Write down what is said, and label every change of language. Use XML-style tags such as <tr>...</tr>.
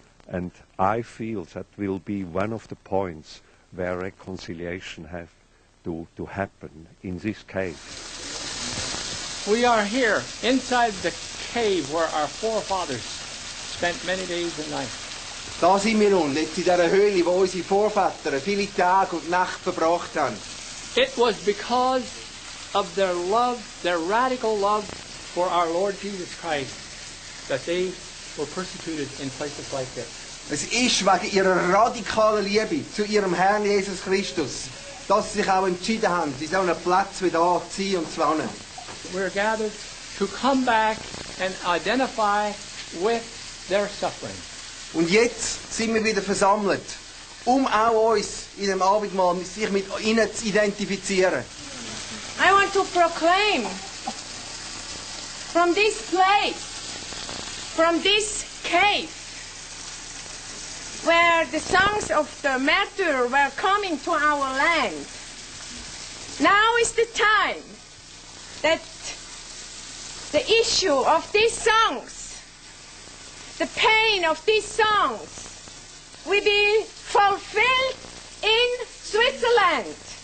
<en>And I feel that will be one of the points where reconciliation has to happen in this cave. We are here inside the cave where our forefathers spent many days and nights.</en> <de>Da sind wir nun, jetzt in der Höhle, wo unsere Vorväter viele Tage und Nacht verbracht haben.</de> <en>It was because of their love, their radical love for our Lord Jesus Christ, that they were persecuted in places like this.</en> <de>Es ist wegen ihrer radikalen Liebe zu ihrem Herrn Jesus Christus, dass sie sich auch entschieden haben, sie sollen einen Platz wieder anziehen und zu wohnen.</de> <en>We're gathered to come back and identify with their suffering.</en> <de>Und jetzt sind wir wieder versammelt, um auch uns in dem Abendmahl sich mit ihnen zu identifizieren.</de> <en>I want to proclaim from this place, from this cave, where the songs of the martyr were coming to our land. Now is the time that the issue of these songs, the pain of these songs, will be fulfilled in Switzerland.</en>